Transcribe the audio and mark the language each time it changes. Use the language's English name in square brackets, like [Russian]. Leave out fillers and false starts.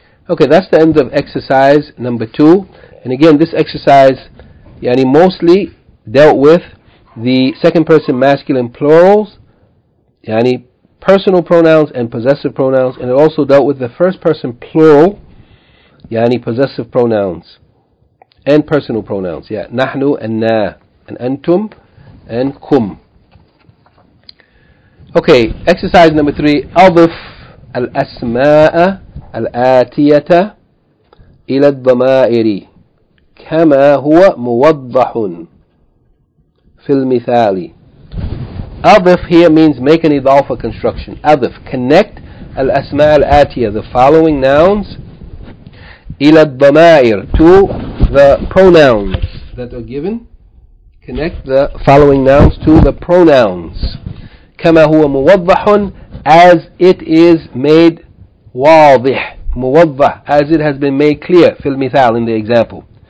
[English] Okay, that's the end of exercise number 2. And again, this exercise yani mostly dealt with the second person masculine plurals, yani personal pronouns and possessive pronouns, and it also dealt with the first person plural, yani possessive pronouns and personal pronouns. Yeah, nahnu and na, and antum and kum. Okay, exercise number 3. [Arabic] أضف الأسماء الآتية إلى الضمائر كما هو موضح في المثال. [English] أضف here means make an إضافة construction. أضف, connect [Arabic] الأسماء الآتية, [English] the following nouns, [Arabic] إلى الضمائر, [English] to the pronouns that are given. Connect the following nouns to the pronouns. [Arabic] كما هو موضح, [English] as it is made واضح, موضح, as it has been made clear, [Arabic] في المثال, [English] in the example.